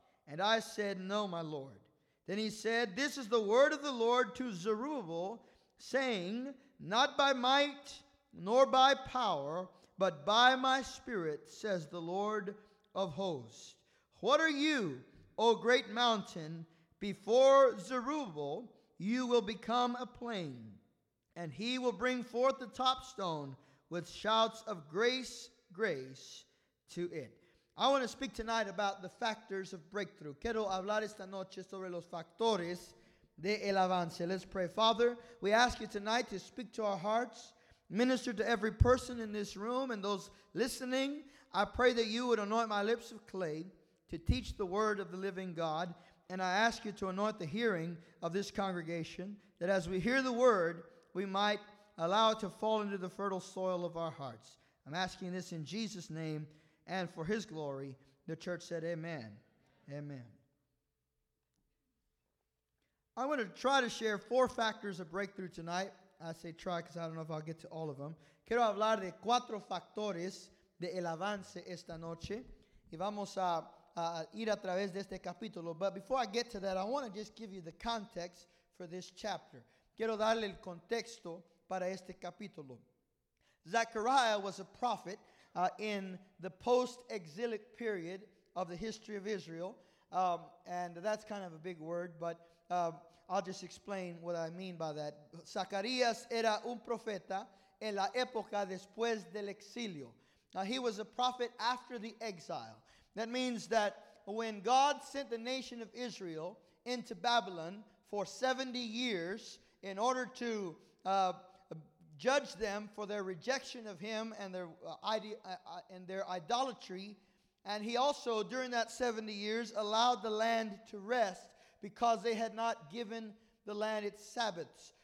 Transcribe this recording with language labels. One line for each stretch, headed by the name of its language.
English: And I said, no, my Lord. Then he said, this is the word of the Lord to Zerubbabel, saying, not by might nor by power, but by my spirit, says the Lord of hosts. What are you, O great mountain? Before Zerubbabel, you will become a plain, and he will bring forth the top stone with shouts of grace, grace to it. I want to speak tonight about the factors of breakthrough.
Spanish: Quiero hablar esta noche sobre los factores de el avance.
English: Let's pray. Father, we ask you tonight to speak to our hearts, minister to every person in this room and those listening. I pray that you would anoint my lips of clay to teach the word of the living God. And I ask you to anoint the hearing of this congregation, that as we hear the word, we might allow it to fall into the fertile soil of our hearts. I'm asking this in Jesus' name and for his glory. The church said amen. Amen. I want to try to share four factors of breakthrough tonight. I say try because I don't know if I'll get to all of them.
Spanish: Quiero hablar de cuatro factores de el avance esta noche. Y vamos a ir a través de este capítulo.
English: But before I get to that, I want to just give you the context for this chapter.
Spanish: Quiero darle el contexto para este capítulo.
English: Zechariah was a prophet in the post-exilic period of the history of Israel. And that's kind of a big word, but I'll just explain what I mean by that.
Spanish: Zacarías era un profeta en la época después del exilio.
English: Now, he was a prophet after the exile. That means that when God sent the nation of Israel into Babylon for 70 years in order to judge them for their rejection of him and their idolatry, and he also, during that 70 years, allowed the land to rest because they had not given the land its Sabbaths.